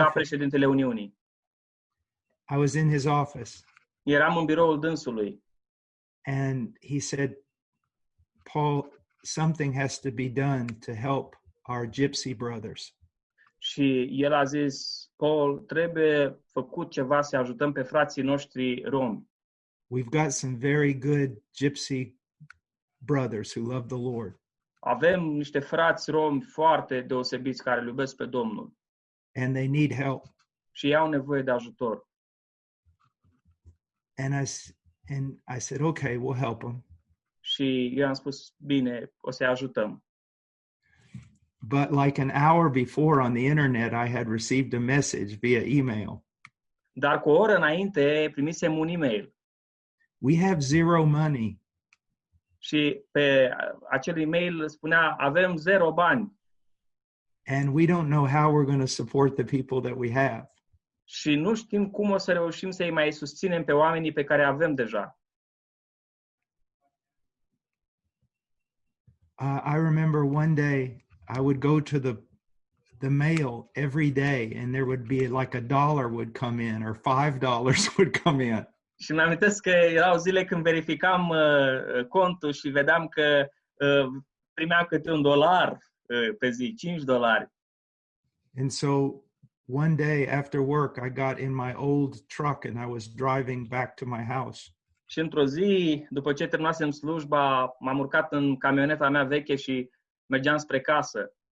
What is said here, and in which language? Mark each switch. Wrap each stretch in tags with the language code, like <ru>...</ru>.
<ro>Era președintele Uniunii.</ro> <en>I was in his office.</en> <ro>Eram în biroul dânsului.</ro> <en>And he said, Paul, something has to be done to help our gypsy brothers.</en> <ro>Și el a zis, Paul, trebuie făcut ceva să ajutăm pe frații noștri romi.</ro> <en>We've got some very good gypsy brothers who love the Lord.</en> <ro>Avem niște frați romi foarte deosebiți care îl iubesc pe Domnul.</ro> <en>And they need help.</en> <ro>Și au nevoie de ajutor.</ro> <en>And I said, okay, we'll help them.</en> <ro>Și eu am spus, bine, o să-i ajutăm.</ro> <en>But like an hour before on the internet, I had received a message via email.</en> <ro>Dar cu o oră înainte, primisem un email.</ro> <en>We have zero money.</en> <ro>Și pe acel email spunea, avem zero bani.</ro> <en>And we don't know how we're going to support the people that we have.</en> <ro>Și nu știm cum o să reușim să-i mai susținem pe oamenii pe care avem deja.</ro> <en>I remember one day I would go to the mail every day and there would be like a dollar would come in or $5 would come in.</en> <ro>Și mi-am amintesc că erau zile când verificam contul și vedeam că primeam câte un dolar pe zi, $5.</ro> <en>And so one day after work I got in my old truck and I was driving back to my house.</en> <ro>Și într-o zi, după ce terminasem slujba, m-am urcat în camioneta mea veche și mergeam spre casă.</ro>